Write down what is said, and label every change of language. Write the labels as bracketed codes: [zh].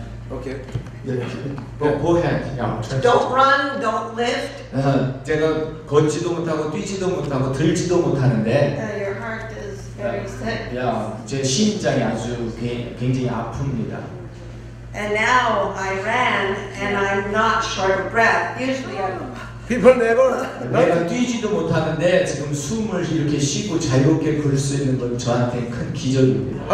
[en] Don't run, don't lift. [ko] 제가 걷지도 못하고 뛰지도 못하고 들지도 못하는데 [en] your heart is very sick. [ko] 제 심장이 아주 굉장히 아픕니다. [en] And now I ran and I'm not short of breath. Usually I'm People never. [ko] 내가 뛰지도 못하는데 지금 숨을 이렇게 쉬고 자유롭게 걸 수 있는 건 저한테 큰 기적입니다.